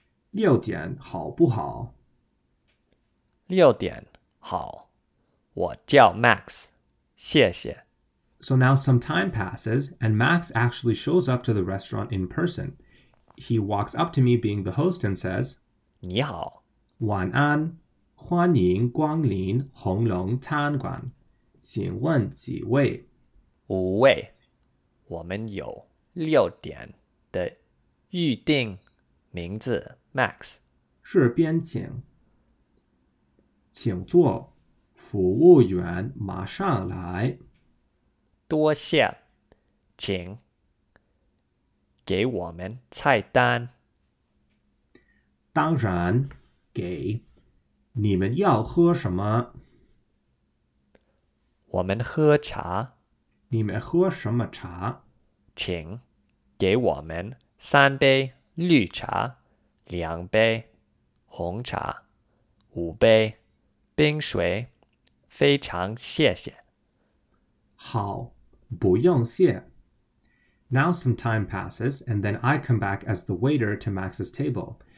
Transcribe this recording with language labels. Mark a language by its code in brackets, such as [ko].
[zh] 六点好不好六点好我叫 Max 谢谢 [en] So now some time passes and Max actually shows up to the restaurant in person. He walks up to me being the host and says [zh] 你好晚安欢迎光临红龙餐馆请问几位？五位，我们有六点的预定，名字 Max。这边请，请坐，服务员马上来。多谢，请给我们菜单。当然，给，你们要喝什么？我们喝茶。你们喝什么茶？请给我们三杯绿茶，两杯红茶，五杯冰水，非常谢谢。好，不用谢。 [en] Now some time passes, and then I come back as the waiter to Max's table.